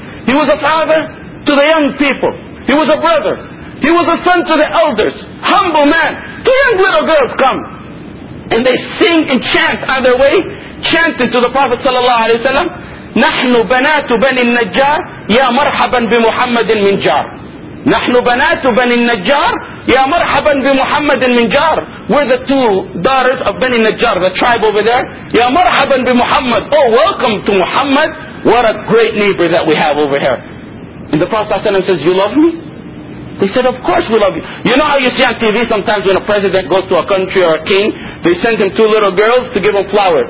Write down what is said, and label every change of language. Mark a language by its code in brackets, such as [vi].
[en] He was a father to the young people. He was a brother. He was a son to the elders. Humble man. Two young little girls come. And they sing and chant on their way, chanting to the Prophet sallallahu alayhi wa sallam, [ar] نَحْنُ بَنَاتُ بَنِ النَّجَّارِ يَا مَرْحَبًا بِمُحَمَّدٍ مِنْ جَارِ. نحن بنات بني النجار يا مرحبا بمحمد من جار. [en] We're the two daughters of Bani Najjar, the tribe over there. [ar] يا مرحبا بمحمد. [en] Oh, welcome to Muhammad. What a great neighbor that we have over here. And the Prophet ﷺ says, you love me? They said, of course we love you. You know how you see on TV sometimes when a president goes to a country or a king, they send him two little girls to give him flowers.